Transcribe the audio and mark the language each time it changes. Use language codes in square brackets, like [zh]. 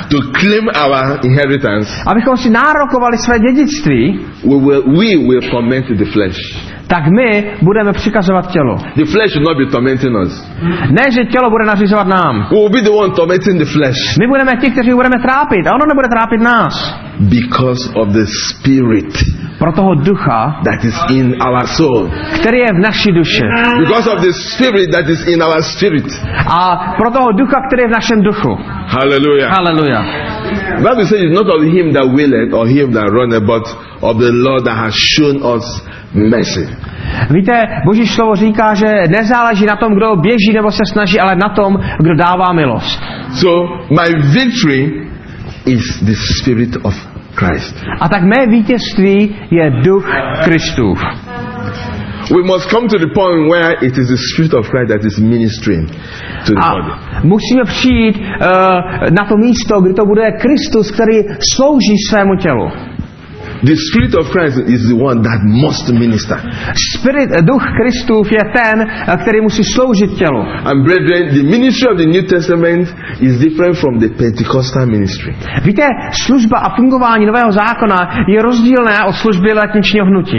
[en] to claim our inheritance, [cs] abychom si nárokovali své dědictví, [en] we will torment the flesh. [cs] Tak my budeme přikazovat tělo. [en] The flesh will not be tormenting us. [cs] Ne, že tělo bude nařizovat nám. [en] We will be the one tormenting the flesh. [cs] My budeme ti, kteří budeme trápit, a ono nebude trápit nás. [en] Because of the spirit. [cs] Pro toho ducha. [en] That is in our soul. [cs] Který je v naší duši. [en] Because of the spirit that is in our spirit. [cs] A pro toho ducha, který je v našem duchu. [en] Hallelujah. [cs] Hallelujah. [en] Bible says it's not of him that willeth or him that runneth, but of the Lord that has shown us mercy. [cs] Víte, Boží slovo říká, že nezáleží na tom, kdo běží nebo se snaží, ale na tom, kdo dává milost. [en] So my victory is the spirit of Christ. [cs] A tak mé vítězství je duch Kristův. [en] We must come to the point where it is the spirit of Christ that is ministering to the body. [cs] Musíme přijít na to místo, kde to bude Kristus, který slouží svému tělu. [en] The spirit of Christ is the one that must minister. [cs] Spirit, duch Kristův je ten, který musí sloužit tělu. [en] And brethren, the ministry of the New Testament is different from the Pentecostal ministry. [cs] Víte, služba a fungování Nového zákona je rozdílné od služby letničního hnutí.